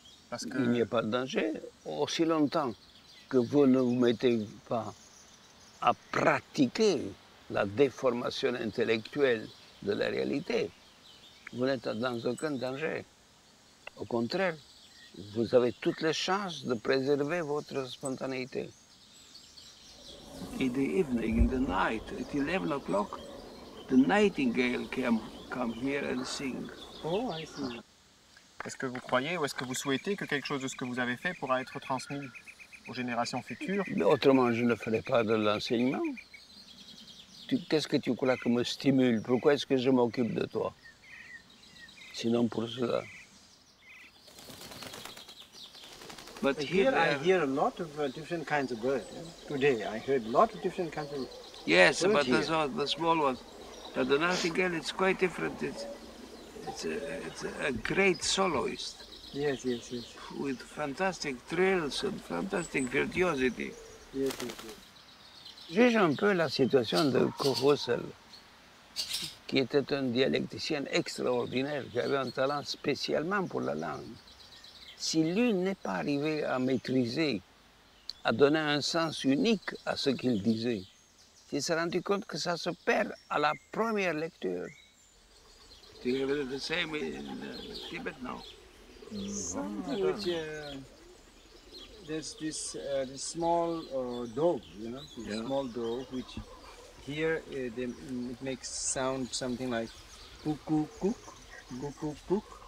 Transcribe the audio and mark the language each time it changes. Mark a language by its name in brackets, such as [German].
[French] Parce que... Il n'y a pas de danger. Aussi longtemps que vous ne vous mettez pas à pratiquer la déformation intellectuelle de la réalité, vous n'êtes dans aucun danger. Au contraire, vous avez toutes les chances de préserver votre spontanéité. [English] In the evening, in the night, at 11 o'clock, the nightingale came here and sing. Oh, I see. [French] Est-ce que vous croyez ou est-ce que vous souhaitez que quelque chose de ce que vous avez fait pourra être transmis aux générations futures? Mais autrement, je ne ferai pas de l'enseignement. Qu'est-ce que tu crois que me stimule? Pourquoi est-ce que je m'occupe de toi? Sinon pour cela. [English] But here I hear a lot of different kinds of birds. Today I heard a lot of different kinds of birds. Yes, but the small ones. But the nightingale is quite different. It's a great soloist. Yes, yes, yes. With fantastic trills and fantastic virtuosity. Yes, yes, yes. [French] Juge un peu la situation de Rehearsal, qui était un dialecticien extraordinaire, qui avait un talent spécialement pour la langue. Si lui n'est pas arrivé à maîtriser, à donner un sens unique à ce qu'il disait, il s'est rendu compte que ça se perd à la première lecture. [English] Do you have the same in Tibet now? Something which there's this this small dog, you know, this small dog which here it makes sound something like kuk kuk kuk.